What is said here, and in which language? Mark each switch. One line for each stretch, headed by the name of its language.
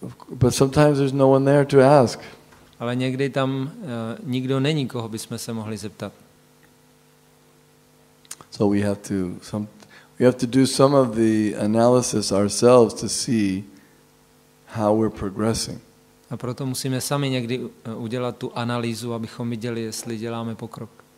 English: But sometimes there's no one there to ask.
Czech: Ale někdy tam nikdo není, koho bychom se mohli zeptat.
English: So we have to do some of the analysis ourselves to see how we're progressing.
Czech: A proto musíme sami někdy udělat tu analýzu, abychom viděli, jestli děláme pokrok.